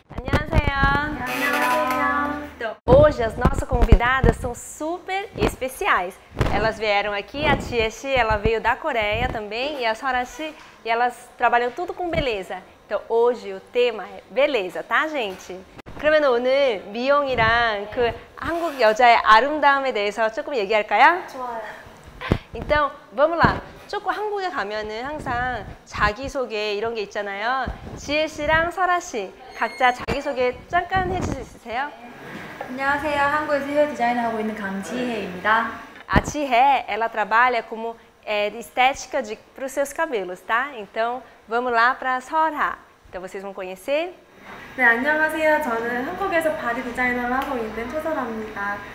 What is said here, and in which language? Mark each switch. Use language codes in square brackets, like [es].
[ko] Annyeonghaseyo! Annyeonghaseyo! [pt] Hoje as nossas convidadas são super especiais. Elas vieram aqui, a Tia Xi, ela veio da Coreia também, e a Sora Xi, e elas trabalham tudo com beleza. Então hoje o tema é beleza, tá, gente? [ko] 그러면 오늘 미용이랑 그 한국 여자의 아름다움에 대해서 조금 얘기할까요? 좋아요. [pt] Então, vamos lá. [ko] 조금 한국에 가면은 항상 자기소개 이런 게 있잖아요. 지혜 씨랑 설아 씨, 각자 자기소개 잠깐 해 주실 수 있으세요? 안녕하세요. 한국에서 헤어 디자인을 하고 있는 강지혜입니다. [pt] 아, 지혜, ela trabalha como estética de para os seus cabelos, tá? Então, vamos lá para a 설아. Então, vocês vão conhecer. [ko] 네, 안녕하세요. 저는 한국에서 바디 디자인을 하고 있는 초설아입니다.